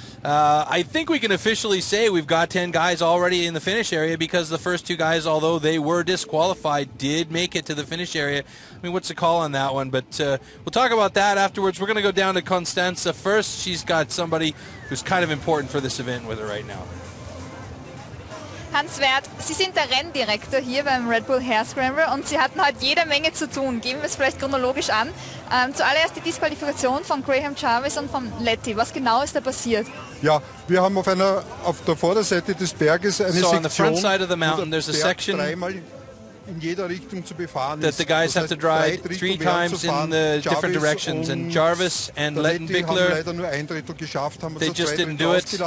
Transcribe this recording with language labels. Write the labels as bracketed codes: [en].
[en] I think we can officially say we've got 10 guys already in the finish area because the first two guys, although they were disqualified, did make it to the finish area. I mean, what's the call on that one? But we'll talk about that afterwards. We're going to go down to Constanza first. She's got somebody who's kind of important for this event with her right now. [de] Hans Wert, Sie sind der Renndirektor hier beim Red Bull Hare Scramble und Sie hatten heute jede Menge zu tun. Geben wir es vielleicht chronologisch an. Zuallererst die Disqualifikation von Graham Jarvis und von Letty. Was genau ist da passiert? Ja, wir haben auf der Vorderseite des Berges eine Sektion. [en] So on the front side of the mountain, there's a section [de] in jeder Richtung zu befahren [en] that the guys have to drive three times in the different directions. And Jarvis and Letton Bickler, they just didn't do it.